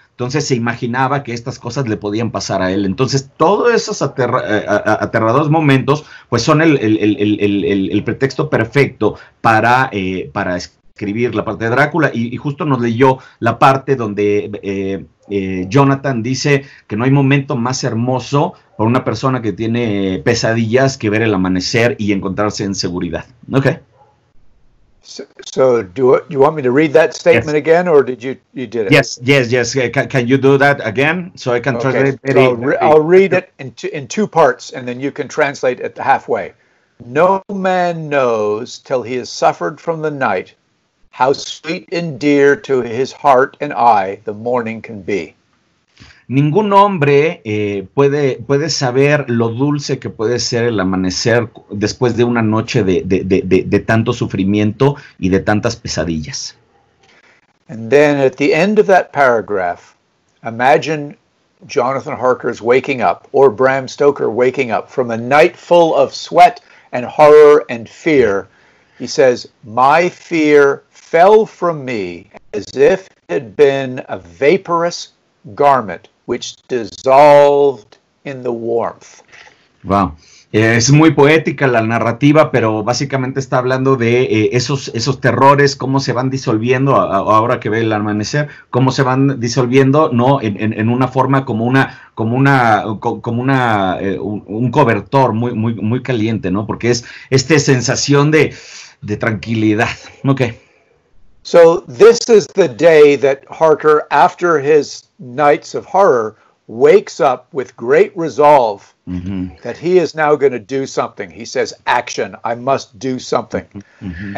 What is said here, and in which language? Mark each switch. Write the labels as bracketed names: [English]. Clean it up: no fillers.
[Spanish] Entonces se imaginaba que estas cosas le podían pasar a él. Entonces todos esos aterradores momentos pues son el pretexto perfecto para escribir la parte de Drácula. Y justo nos leyó la parte donde Jonathan dice que no hay momento más hermoso por una persona que tiene pesadillas que ver el amanecer y encontrarse en seguridad. [English] Okay. So do you want me to read that statement again, or did you did it? Yes. Can you do that again so I can translate? Okay. I'll read it in two parts, and then you can translate it halfway. No man knows till he has suffered from the night how sweet and dear to his heart and eye the morning can be. [Spanish] Ningún hombre puede saber lo dulce que puede ser el amanecer después de una noche de tanto sufrimiento y de tantas pesadillas. [English] And then at the end of that paragraph, imagine Jonathan Harker's waking up, or Bram Stoker waking up from a night full of sweat and horror and fear. He says, "My fear fell from me as if it had been a vaporous garment which dissolved in the warmth." Wow. [Spanish] Es muy poética la narrativa, pero básicamente está hablando de esos terrores, cómo se van disolviendo ahora que ve el amanecer, cómo se van disolviendo, ¿no? En una forma como un cobertor muy muy muy caliente, ¿no? [English] Porque es esta sensación de tranquilidad. Okay. So this is the day that Harker, after his nights of horror, wakes up with great resolve that he is now going to do something. He says, "Action, I must do something." Mm-hmm.